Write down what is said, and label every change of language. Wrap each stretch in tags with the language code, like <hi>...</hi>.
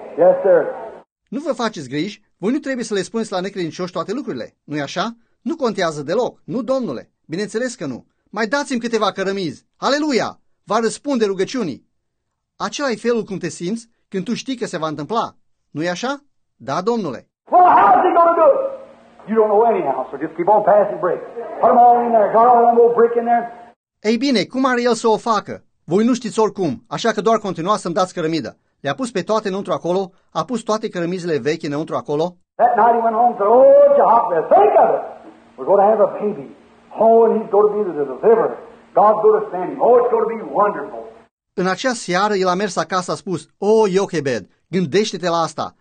<en>Yes, sir.</en> <ro>Nu vă faceți griji. Voi nu trebuie să le spuneți la necredincioși toate lucrurile. Nu-i așa? Nu contează deloc. Nu, domnule. Bineînțeles că nu. Mai dați-mi câteva cărămizi. Aleluia! Va răspunde rugăciunii. Acela-i felul cum te simți când tu știi că se va întâmpla. Nu-i așa? Da, domnule.</ro> <en>Well, how's he gonna do it? You don't know anyhow, so just keep on passing bricks. Put them all in there. Got all that old brick in there?</en> <ro>Ei bine, cum are el să o facă? Voi nu știți oricum, așa că doar continuați să-mi dați cărămidă. Le-a pus pe toate înăuntru acolo, a pus toate cărămizile vechi înăuntru acolo.</ro> <en>That night he went home and said, oh, Jehovah, think of it! We're going to have a baby. Oh, and he's going to be the deliverer. God's going to send him. Oh, it's going to be wonderful.</en> <ro>În acea seară, el a mers acasă, a spus, oh, Iochebed, gândește-te la asta.</ro>